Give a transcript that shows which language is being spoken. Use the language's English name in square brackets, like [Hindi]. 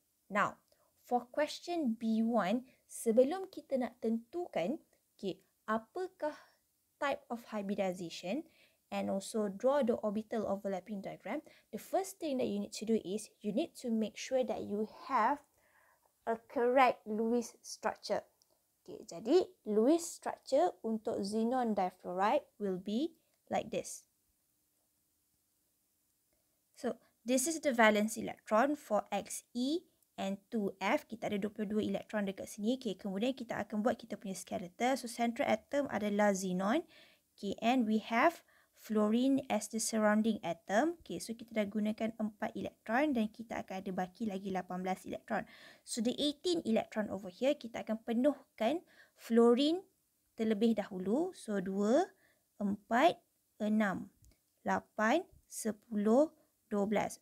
[English] Now, for question B1, [Malay] sebelum kita nak tentukan, [English] okay, [Malay] apakah [English] type of hybridization and also draw the orbital overlapping diagram, the first thing that you need to do is you need to make sure that you have a correct Lewis structure. Okay, jadi Lewis structure untuk xenon difluoride will be like this. So, this is the valence electron for Xe and 2F. [Malay] Kita ada 22 electron dekat sini. Okay, kemudian kita akan buat kita punya skeleton. So, central atom adalah xenon. [English] Okay, and we have fluorine as the surrounding atom. [Malay] Okay, so kita dah gunakan 4 electron dan kita akan ada baki lagi 18 electron. [English] So, the 18 electron over here, [Malay] kita akan penuhkan fluorine terlebih dahulu. [English] So, 2, 4, 6, 8, 10, 12.